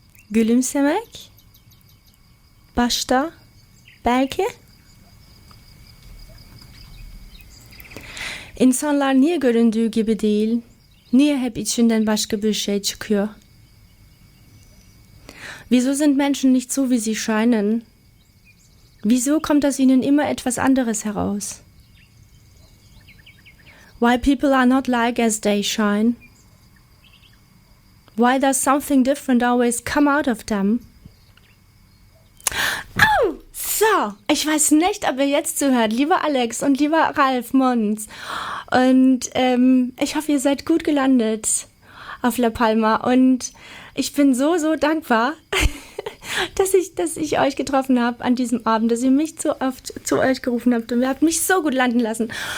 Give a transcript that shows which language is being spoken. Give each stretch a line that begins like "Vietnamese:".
Turkish: Gülümsemek? Başta? Belki? İnsanlar niye göründüğü gibi değil, niye hep içinden başka bir şey çıkıyor?
German: Wieso sind Menschen nicht so, wie sie scheinen? Wieso kommt aus ihnen immer etwas anderes heraus?
English: Why people are not like as they shine? Why does something different always come out of them?
German: Oh, so, ich weiß nicht, ob ihr jetzt zuhört, lieber Alex und lieber Ralf Mons. Und ich hoffe, ihr seid gut gelandet auf La Palma. Und ich bin so, so dankbar, dass ich euch getroffen habe an diesem Abend, dass ihr mich so oft zu euch gerufen habt und ihr habt mich so gut landen lassen.